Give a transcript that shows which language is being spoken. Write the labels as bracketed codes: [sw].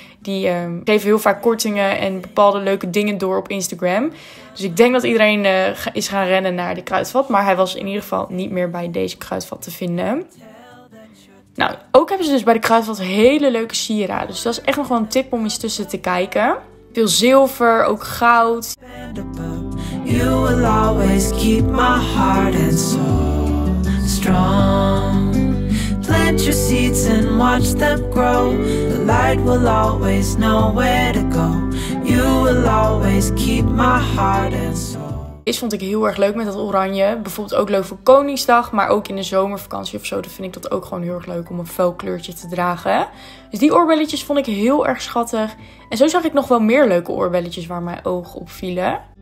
[nl] Die geven heel vaak kortingen en bepaalde leuke dingen door op Instagram. Dus ik denk dat iedereen is gaan rennen naar de Kruidvat. Maar hij was in ieder geval niet meer bij deze Kruidvat te vinden. Nou, ook hebben ze dus bij de Kruidvat hele leuke sieraden. Dus dat is echt nog wel een tip om eens tussen te kijken. Veel zilver, ook goud. [en] You will always keep my heart and soul strong. Plant your seeds and watch them grow. The light will always know where to go. You will always keep my heart and soul. [nl] Dit vond ik heel erg leuk met dat oranje. Bijvoorbeeld ook leuk voor Koningsdag, maar ook in de zomervakantie of zo. Dan vind ik dat ook gewoon heel erg leuk om een fel kleurtje te dragen. Dus die oorbelletjes vond ik heel erg schattig. En zo zag ik nog wel meer leuke oorbelletjes waar mijn oog op vielen.